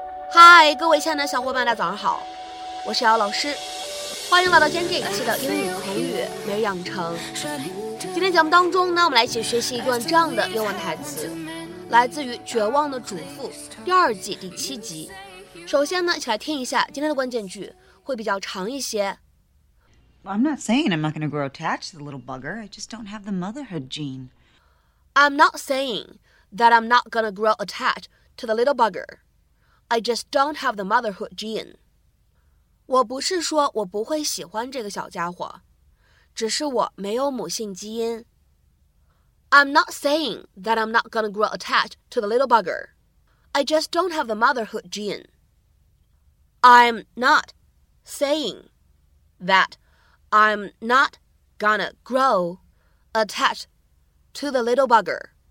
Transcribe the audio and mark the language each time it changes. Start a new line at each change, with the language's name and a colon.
Chinese: 嗨，各位亲爱的小伙伴，大家早上好，我是姚老师，欢迎来到今天这一期的英语口语每日养成。今天节目当中呢，我们来一起学习一段这样的英文台词，来自于《绝望的主妇》第二季第七集。首先呢，一起来听一下今天的关键句，会比较长一些。
English: I'm not saying I'm not going to grow attached to the little bugger. I just don't have the motherhood gene. I'm not saying that I'm not going to grow attached to the little bugger. I just don't have the motherhood gene.
Chinese: 我不是说我不会喜欢这个小家伙，只是我没有母性基因。
English: I'm not saying that I'm not going to grow attached to the little bugger. I just don't have the motherhood gene. I'm not saying that I'm not gonna grow attached to the little bugger.